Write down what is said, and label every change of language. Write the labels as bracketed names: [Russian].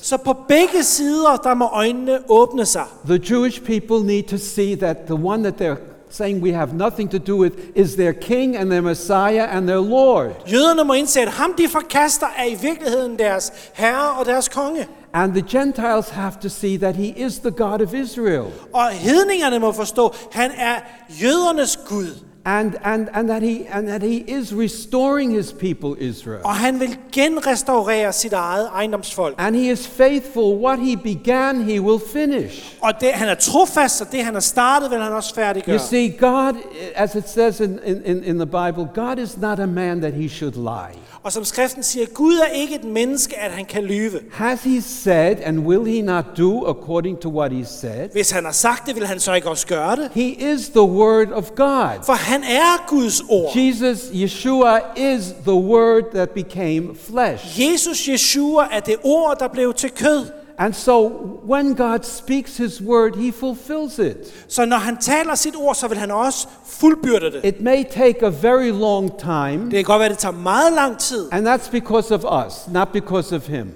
[Danish] Så på begge sider, der må øjnene åbne sig. [English] The Jewish people need to see that the one that they're saying we have nothing to do with is their king and their Messiah and their Lord. [Danish] Jøderne må indse at ham de forkaster er i virkeligheden deres herre og deres konge. [English] And the Gentiles have to see that he is the God of Israel. [Danish] Og hedningerne må forstå han er jødernes Gud. [English] And that he is restoring his people Israel. [Danish] Og han vil genrestaurere sit eget ejendomsfolk. [English] And he is faithful. What he began, he will finish. [Danish] Og det, han er trofast, og det han har startet, vil han også færdiggøre. [English] You see, God, as it says in the Bible, God is not a man that he should lie. [Danish] Og som skriften siger, Gud er ikke et menneske, at han kan lyve. [English] Has he said, and will he not do according to what he said? [Danish] Hvis han har sagt det, vil han så ikke også gøre det? [English] He is the word of God. [Danish] For han er Guds ord. [English] Jesus, Yeshua, is the word that became flesh. [Danish] Jesus, Yeshua, er det ord, der blev til kød. [English] And so when God speaks his word, he fulfills it. [Danish] Så når han taler sit ord, så vil han også fuldbyrde det. [English] It may take a very long time. [Danish] Det kan godt være, det tager meget lang tid. [English] And that's because of us, not because of him.